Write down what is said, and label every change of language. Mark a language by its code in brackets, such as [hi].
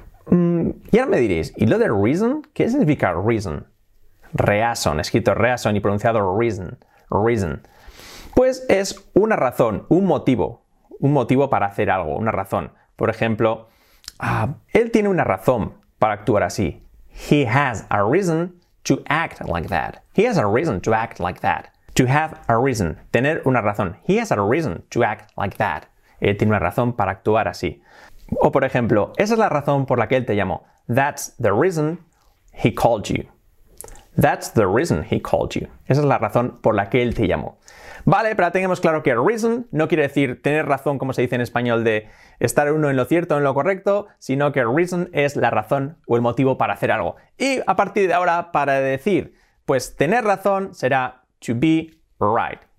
[es] Y ahora me diréis, ¿y lo de reason? ¿Qué significa reason? Reason. Escrito reason y pronunciado reason. Reason. Pues es una razón, un motivo. Un motivo para hacer algo, una razón. Por ejemplo, él tiene una razón para actuar así. [en] He has a reason to act like that. He has a reason to act like that. To have a reason. [es] Tener una razón. [en] He has a reason to act like that. [es] Él tiene una razón para actuar así. O por ejemplo, esa es la razón por la que él te llamó. [en] That's the reason he called you. That's the reason he called you. [es] Esa es la razón por la que él te llamó. Vale, pero tengamos claro que reason no quiere decir tener razón, como se dice en español, de estar uno en lo cierto o en lo correcto, sino que reason es la razón o el motivo para hacer algo. Y a partir de ahora, para decir, pues tener razón será [en] to be right.